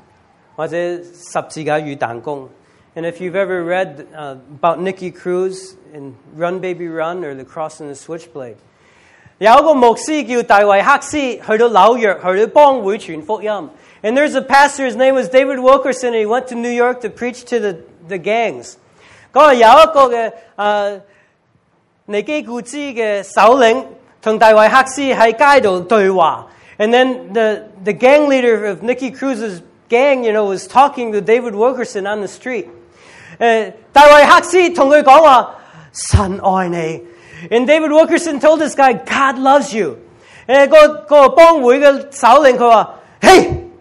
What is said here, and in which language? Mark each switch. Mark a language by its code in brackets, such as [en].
[zh] 如果你听过尼基古兹,有一本书叫《逃》,或者《十字架与弹弓》. [en] And if you've ever read about Nicky Cruz in Run Baby Run or The Cross and the Switchblade, [zh] 有一个牧师叫大卫克斯,去到纽约,去到帮会传福音. [en] And there's a pastor, his name was David Wilkerson, and he went to New York to preach to the gangs. [zh] 有一个尼基古兹的首领, 跟大卫克斯在街上对话. [en] And then the gang leader of Nicky Cruz's gang, you know, was talking to David Wilkerson on the street. [zh] 大卫克斯跟他说, 神爱你. [en] And David Wilkerson told this guy, God loves you. [zh] 那个帮会的首领他说, Hey!